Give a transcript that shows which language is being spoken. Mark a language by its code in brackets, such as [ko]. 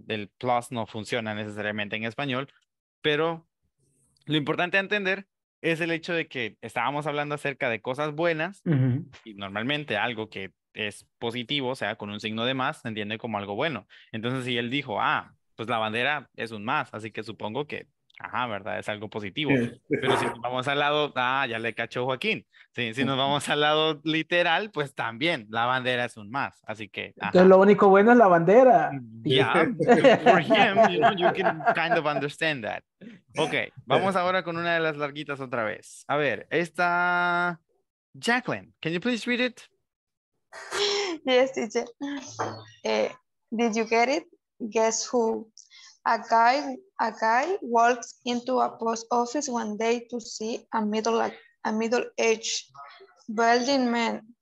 [es] El plus no funciona necesariamente en español, pero lo importante a entender es el hecho de que estábamos hablando acerca de cosas buenas, y normalmente algo que es positivo, o sea, con un signo de más, se entiende como algo bueno. Entonces, si él dijo, pues la bandera es un más, así que supongo que, ajá, ¿verdad? Es algo positivo. Pero si nos vamos al lado, ya le cachó Joaquín. Sí, si nos vamos al lado literal, pues también la bandera es un más, así que. Ajá. Entonces lo único bueno es la bandera. [en] Yeah, for him, you can kind of understand that. [es] Okay, vamos ahora con una de las larguitas otra vez. A ver, esta, [en] Jacqueline, can you please read it? Yes, teacher. Did you get it? Guess who? A guy walks into a post office one day to see a middle-aged balding man.